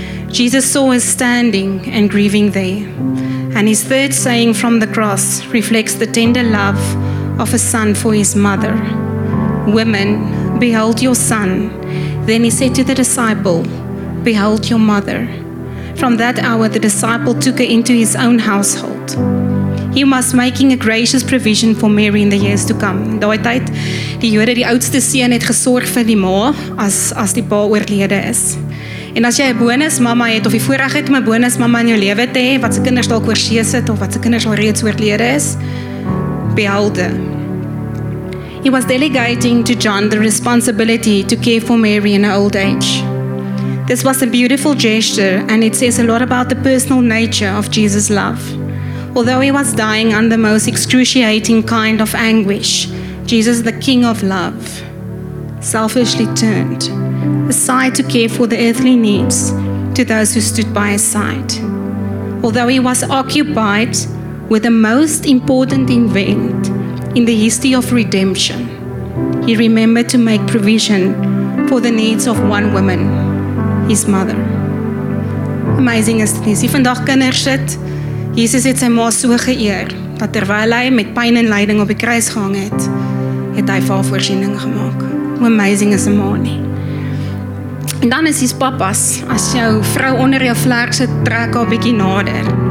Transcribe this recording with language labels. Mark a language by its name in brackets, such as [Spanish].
[English] Jesus saw him standing and grieving there. And his third saying from the cross reflects the tender love of a son for his mother. Woman, behold your son. Then he said to the disciple, behold your mother. From that hour, the disciple took her into his own household. He was making a gracious provision for Mary in the years to come. [Afrikaans] In daai tyd, die Jode, die oudste seun, het gesorg vir die ma as die pa oorlede is. En as jy 'n bonus mamma het of die voorreg het om 'n bonus mamma in jou lewe te hê, wat se kinders dalk oorsee sit of wat se kinders al reeds oorlede is, behalde. [English] He was delegating to John the responsibility to care for Mary in her old age. This was a beautiful gesture, and it says a lot about the personal nature of Jesus' love. Although he was dying under the most excruciating kind of anguish, Jesus, the King of love, selfishly turned aside to care for the earthly needs to those who stood by his side. Although he was occupied with the most important event in the history of redemption, he remembered to make provision for the needs of one woman, his mother. [Afrikaans] Amazing is dit nie. As jy vandag kinders sit, Jesus het sy ma so geëer, dat terwyl hy met pyn en lyding op die kruis gehang het, het hy vir haar voorsiening gemaak. Hoe amazing is 'n ma nie. En dan is hier papas, as jou vrou onder jou vlerk sit, trek haar 'n bietjie nader.